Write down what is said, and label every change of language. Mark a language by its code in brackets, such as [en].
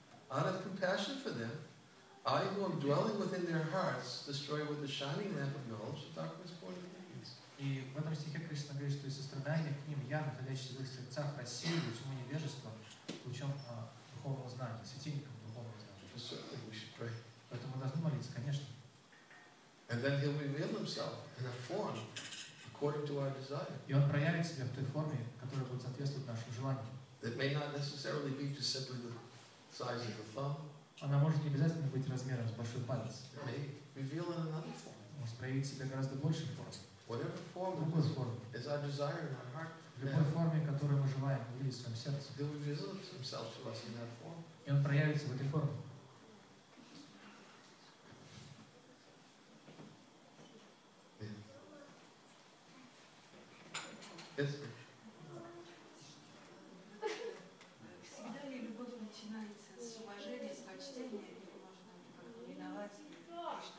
[en] Out of compassion for them, I who am dwelling within their hearts, destroy with the shining lamp of knowledge the darkness born of ignorance. [ru] И в этом стихе Кришна говорит, что из сострадания к ним я, находящийся в их сердцах, рассеиваю тьму невежества лучом духовного знания, светильником духовного знания. Поэтому мы должны молиться, конечно. [en] And then he'll reveal himself in a form according to our desire. [ru] И он проявит себя в той форме, которая будет соответствовать нашим желаниям. [en] That may not necessarily be just simply the size of a thumb. [ru] Она может не обязательно быть размером с большой палец. [en] It may reveal in another form. [ru] Может проявить себя гораздо больше форм. [en] Whatever form. [ru] Другой форме. [en] Is our desire in our heart. [ru] В любой форме, которую мы желаем, в своем сердце. [en] He'll reveal himself to us in that form. [ru] И он проявится в этой форме. [en] Yes. [ru] Всегда ли любовь начинается с уважения, с почтения, или можно как-то виновать Кришна?